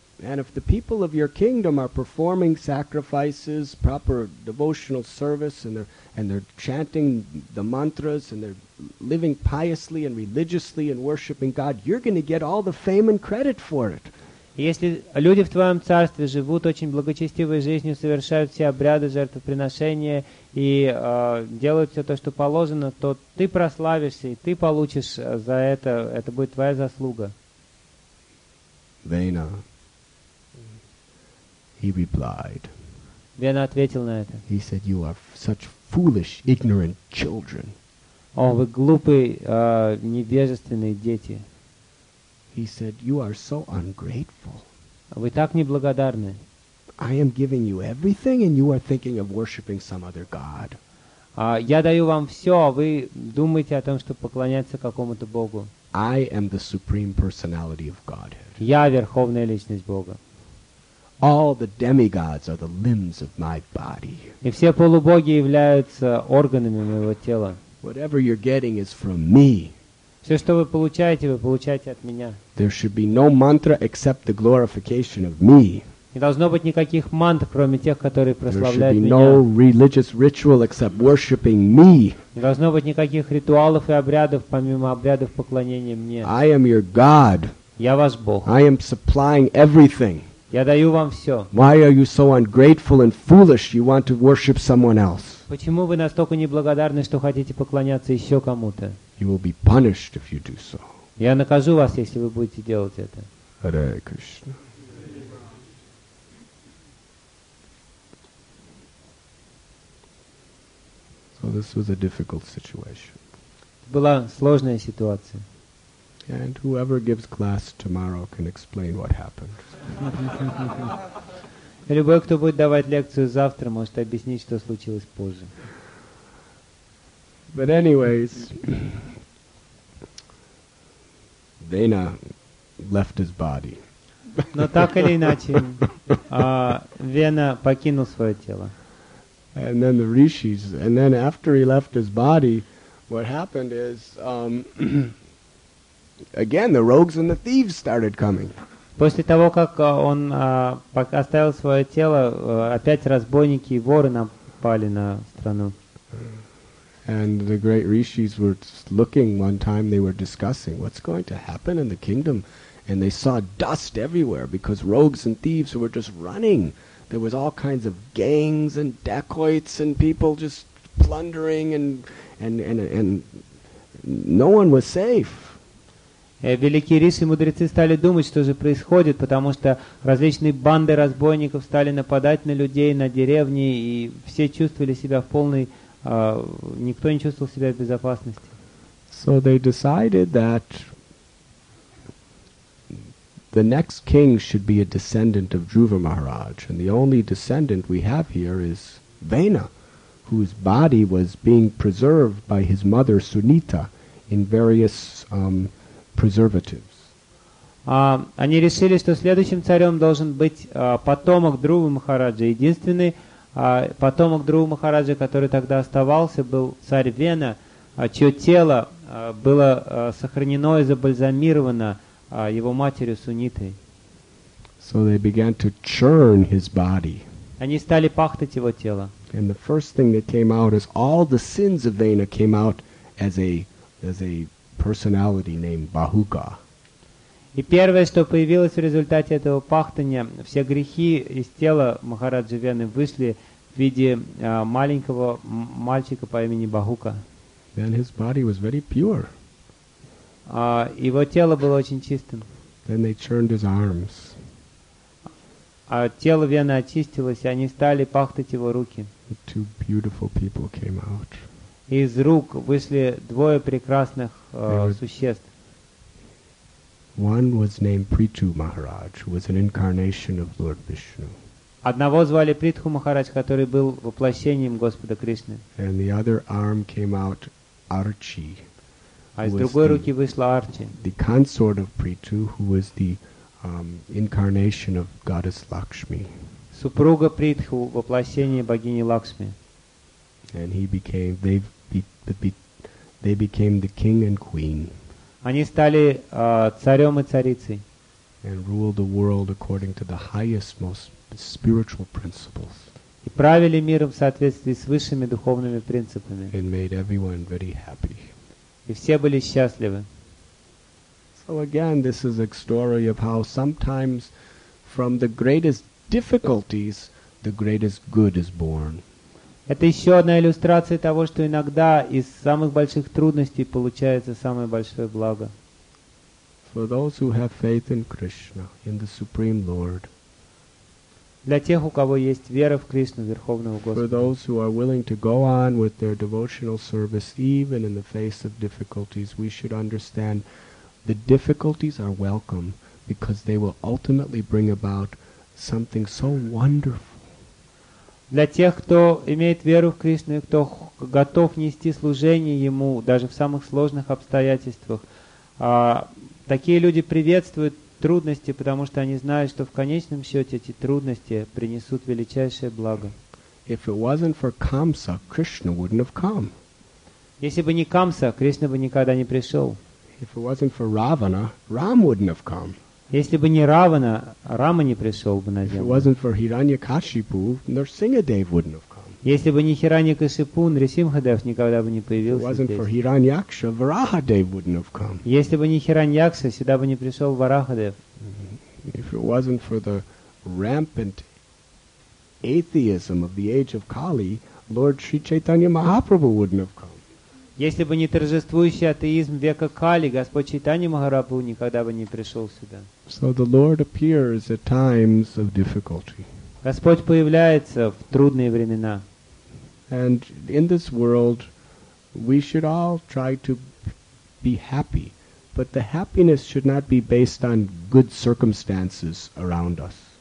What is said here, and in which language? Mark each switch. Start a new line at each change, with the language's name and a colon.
English: And if the people of your kingdom are performing sacrifices, proper devotional service, and they're chanting the mantras, and they're living piously and religiously and worshiping God, you're going to get all the fame and credit for it.
Russian: Если люди в твоем царстве живут очень благочестивой жизнью, совершают все обряды, жертвоприношения и делают все то, что положено, то ты прославишься, и ты получишь за это, это будет твоя заслуга.
English: Vena, he replied.
Russian: Vena ответил на это.
English: He said, "You are such foolish, ignorant children."
Russian: О, вы глупые, невежественные дети.
English: He said, "You are so ungrateful."
Russian: Вы так неблагодарны.
English: I am giving you everything, and you are thinking of worshiping some other god.
Russian: Я даю вам все, а вы думаете о том, чтобы поклоняться какому-то богу.
English: I am the supreme personality of Godhead.
Russian: Я верховная личность Бога.
English: All the demigods are the limbs of my body.
Russian: И все полубоги являются органами моего тела.
English: Whatever you're getting is from me.
Russian: Все, что вы получаете от меня.
English: There should be no mantra except the glorification of me.
Russian: Не должно быть никаких мантр, кроме тех, которые прославляют меня.
English: There should be no religious ritual except worshiping me.
Russian: Не должно быть никаких ритуалов и обрядов, помимо обрядов поклонения мне.
English: I am your God.
Russian: Я ваш Бог.
English: I am supplying everything.
Russian: Я даю вам все.
English: Why are you so ungrateful and foolish? You want to worship someone else.
Russian: Почему вы настолько неблагодарны, что хотите поклоняться еще кому-то?
English: You will be punished if you do so.
Russian: Я накажу вас, если вы будете делать это.
English: Hare Krishna. So this was a difficult situation.
Russian: Была сложная ситуация.
English: And whoever gives class tomorrow can explain what happened.
Russian: Любой, кто будет давать лекцию завтра, может объяснить, что случилось позже.
English: But anyways, Dana left his body.
Russian: Но так или иначе, Вена покинул свое тело.
English: And then the rishis, and then after he left his body, what happened is, again, the rogues and the thieves started coming.
Russian: После того, как он оставил свое тело, опять разбойники и воры напали на страну.
English: And the great rishis were looking one time, they were discussing what's going to happen in the kingdom. And they saw dust everywhere because rogues and thieves were just running. There was all kinds of gangs and dacoits and people just plundering and no one was safe.
Russian: Великие риши и мудрецы стали думать, что же происходит, потому что различные банды разбойников стали нападать на людей, на деревни, и все чувствовали себя в полной... никто не чувствовал себя в безопасности.
English: So they decided that the next king should be a descendant of Dhruva Maharaj, and the only descendant we have here is Vena, whose body was being preserved by his mother Sunita in various... preservatives.
Russian: Они решили, что следующим царем должен быть потомок Друвы Махараджа. Единственный потомок Друвы Махараджа, который тогда оставался, был царь Вена, чье тело было сохранено и забальзамировано его матерью Сунитой.
English: So they began to churn his body.
Russian: Они стали пахтать его тело.
English: And the first thing that came out is all the sins of Vena came out as a personality named Bahuka.
Russian: И первое, что появилось в результате этого пахтания, все грехи из тела Махараджи Вены вышли в виде маленького мальчика по имени Бахука.
English: Then his body was very pure.
Russian: Его тело было очень чистым.
English: Then they churned his arms.
Russian: Тело Вены очистилось, и они стали пахтать его руки.
English: The two beautiful people came out.
Russian: Из рук вышли двое прекрасных существ.
English: One was named Prithu Maharaj, who was an incarnation of Lord Vishnu.
Russian: Одного звали Притху Махарадж, который был воплощением Господа Кришны.
English: And the other arm came out Archi.
Russian: А из другой руки вышла Арчи.
English: The consort of Prithu, who was the incarnation of Goddess Lakshmi.
Russian: Супруга Притху, воплощение богини Лакшми.
English: And they became the king and queen.
Russian: Они стали царем и царицей.
English: And ruled the world according to the highest, most spiritual principles.
Russian: И правили миром в соответствии с высшими духовными принципами.
English: And made everyone very happy.
Russian: И все были счастливы.
English: So again, this is a story of how sometimes, from the greatest difficulties, the greatest good is born.
Russian: Это еще одна иллюстрация того, что иногда из самых больших трудностей получается самое большое благо.
English: For those who have faith in Krishna, in the Supreme Lord.
Russian: Для тех, у кого есть вера в Кришну, Верховного Господа.
English: For those who are willing to go on with their devotional service even in the face of difficulties, we should understand the difficulties are welcome because they will ultimately bring about something so wonderful.
Russian: Для тех, кто имеет веру в Кришну и кто готов нести служение Ему даже в самых сложных обстоятельствах, такие люди приветствуют трудности, потому что они знают, что в конечном счете эти трудности принесут величайшее благо.
English: If it wasn't for Kamsa, Krishna wouldn't have come.
Russian: Если бы не Камса, Кришна бы никогда не пришел.
English: If it wasn't for Ravana, Ram wouldn't have come.
Russian: Если бы не Равана, Рама не пришел бы на землю.
English: If it wasn't for Hiranyakashipu, Narsingadev wouldn't have come.
Russian: Если бы не Хираньякашипу, Нарисимхадев никогда бы не появился.
English: If it wasn't for Hiranyaksha, Varahadev wouldn't have come.
Russian: Если бы не Хираньякша, сюда бы не пришел Варахадев.
English: If it wasn't for the rampant atheism of the age of Kali, Lord Sri Chaitanya Mahaprabhu wouldn't have come.
Russian: Если бы не торжествующий атеизм века Кали, Господь Чайтанья Махапрабху никогда бы не пришел сюда.
English: So the Lord appears at times of difficulty.
Russian: Господь появляется в трудные времена.
English: And in this world, we should all try to be happy, but the happiness should not be based on good circumstances around us.